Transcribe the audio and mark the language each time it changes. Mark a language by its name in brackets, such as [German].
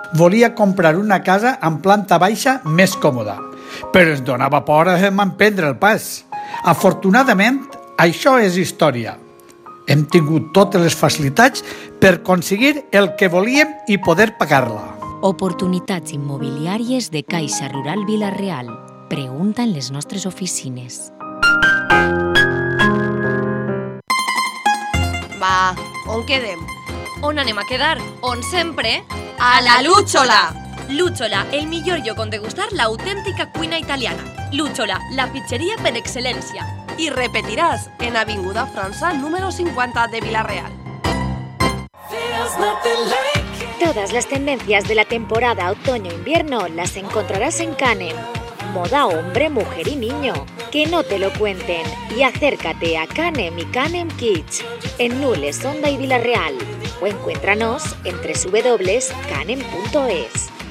[Catalan] Volia comprar una casa amb planta baixa més còmoda, però ens donava por a emprendre el pas. Afortunadament, això és història. Hem tingut totes les facilitats per aconseguir el que volíem i poder pagar-la. Oportunitats immobiliàries de Caixa Rural Vila-real. Pregunta en les nostres oficines. Va, on quedem? On anem a quedar? On sempre? A la Lúchola! Lúchola, el millor lloc on degustar l'autèntica cuina italiana. Lúchola, la pizzeria per excel·lència. I repetiràs en Avinguda França número 50 de Vila-real. [Spanish] Todas las tendencias de la temporada otoño-invierno las encontrarás en Canem. Moda hombre, mujer y niño. Que no te lo cuenten. Y acércate a Canem y Canem Kids. En Nules, Onda y Vila-real. o encuéntranos en www.canem.es.